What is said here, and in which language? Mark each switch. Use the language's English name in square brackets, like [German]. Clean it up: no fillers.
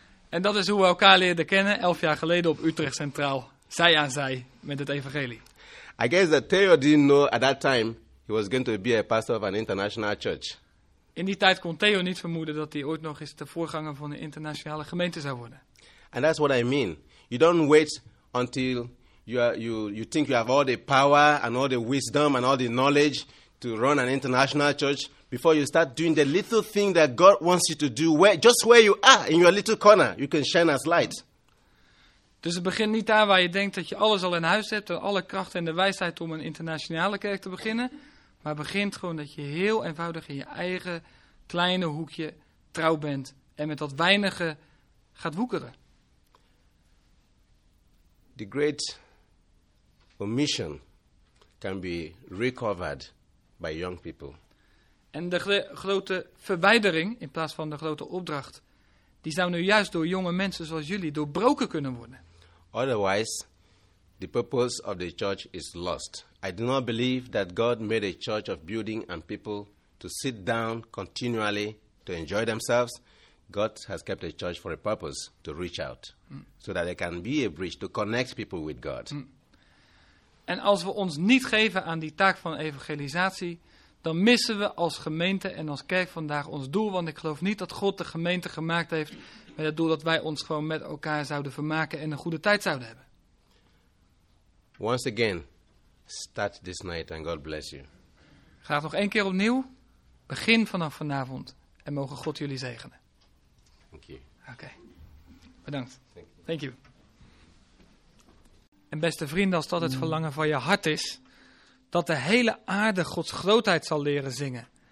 [Dutch] En dat is hoe we elkaar leerden kennen 11 jaar geleden op Utrecht Centraal, zij aan zij met het evangelie. [English] I guess that Theo didn't know at that time he was going to be a pastor of an international church. [Dutch] In die tijd kon Theo niet vermoeden dat hij ooit nog eens de voorganger van een internationale gemeente zou worden. [English] And that's what I mean. You don't wait until you think you have all the power and all the wisdom and all the knowledge to run an international church before you start doing the little thing that God wants you to do, just where you are in your little corner, you can shine as light. [Dutch] Dus het begint niet daar waar je denkt dat je alles al in huis hebt en alle kracht en de wijsheid om een internationale kerk te beginnen. Maar begint gewoon dat je heel eenvoudig in je eigen kleine hoekje trouw bent en met dat weinige gaat woekeren. [English] The great omission can be recovered by young people. [Dutch] En de grote verwijdering in plaats van de grote opdracht, die zou nu juist door jonge mensen zoals jullie doorbroken kunnen worden. [English] Otherwise, the purpose of the church is lost. I do not believe that God made a church of building and people to sit down continually to enjoy themselves. God has kept a church for a purpose, to reach out. So that there can be a bridge to connect people with God. [Dutch] En als we ons niet geven aan die taak van evangelisatie, dan missen we als gemeente en als kerk vandaag ons doel. Want ik geloof niet dat God de gemeente gemaakt heeft met het doel dat wij ons gewoon met elkaar zouden vermaken en een goede tijd zouden hebben. [English] Once again, Start this night and God bless you. [Dutch] Graag nog één keer opnieuw. Begin vanaf vanavond en mogen God jullie zegenen. [English] Thank you. [Dutch] Oké. Bedankt. [English] Thank you. [Dutch] En beste vrienden, als dat het verlangen van je hart is, dat de hele aarde Gods grootheid zal leren zingen.